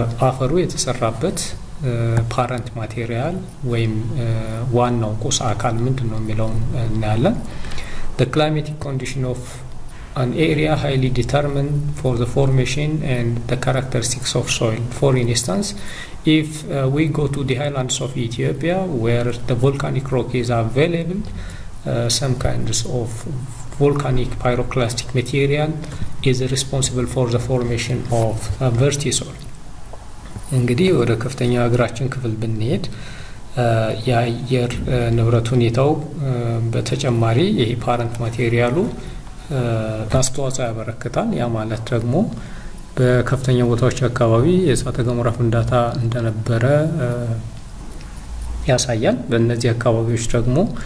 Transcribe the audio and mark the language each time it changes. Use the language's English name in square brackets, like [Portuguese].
[Amharic] አፈሩ የተሰራበት parent material ወይም ዋናው ቁስ አካል ምንድነው የሚለው እናያለን። [English] The climatic condition of an area highly determined for the formation and the characteristics of soil. For instance, if we go to the highlands of Ethiopia where the volcanic rock is available, some kinds of volcanic pyroclastic material is responsible for the formation of a vertisol. [Amharic] እንግዲህ ወደ ከፍተኛ ሀገራችን ክፍል ብንሄድ የአየር ንብረት ሁኔታው በተጨማሪ ይሄ ፓረንት ማቴሪያሉ አስተዋጽኦ ያበረክታል። ያ ማለት ደግሞ በከፍተኛ ቦታዎች አካባቢ የእሳተ ገሞራ ፍንዳታ እንደነበረ ያሳያል። በእነዚህ አካባቢዎች ደግሞ